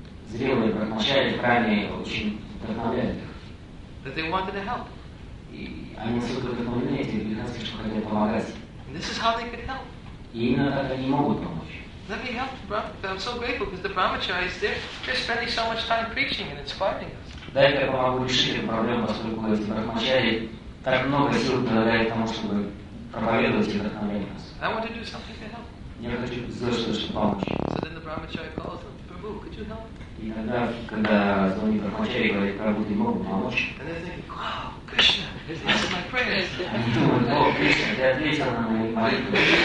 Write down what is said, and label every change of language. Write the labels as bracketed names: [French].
[Russian] Зрелые брахмачари крайне очень вдохновляют их. [English] That they wanted to help. [Russian] И они настолько вдохновлены этими грихасты, что хотели помогать. [English] And this is how they could help. [Russian] И именно так они могут помочь. [English] Let me help the Brahmacharis. I'm so grateful because the Brahmacharis, they're spending so much time preaching and inspiring us. [Russian] Дай-ка я помогу решить эту проблему, поскольку эти Брахмачари так много сил прилагают к тому, чтобы проповедовать и вдохновлять нас. [English] I want to do something to help. [Russian] Я хочу сделать что-то, чтобы помочь. [English] So then the Brahmachari calls them, Prabhu, could you help? [Russian] Иногда, когда звонит Брахмачари, говорит, Прабху, ты мог бы помочь? [English] And they're thinking, wow, Krishna, this is my prayers. [Russian] Они думают, о, Кришна, ты ответил на мои молитвы.